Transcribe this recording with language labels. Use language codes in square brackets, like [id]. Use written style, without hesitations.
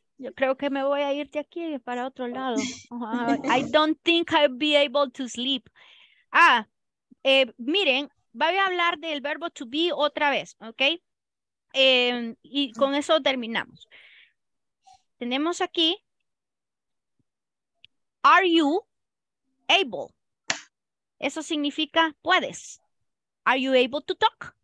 [es] Yo creo que me voy a ir de aquí para otro lado. [en] I don't think I'll be able to sleep. [es] Miren, voy a hablar del verbo to be otra vez, ¿ok? Y con eso terminamos. Tenemos aquí, [en] are you able? [es] Eso significa, ¿puedes? [en] Are you able to talk?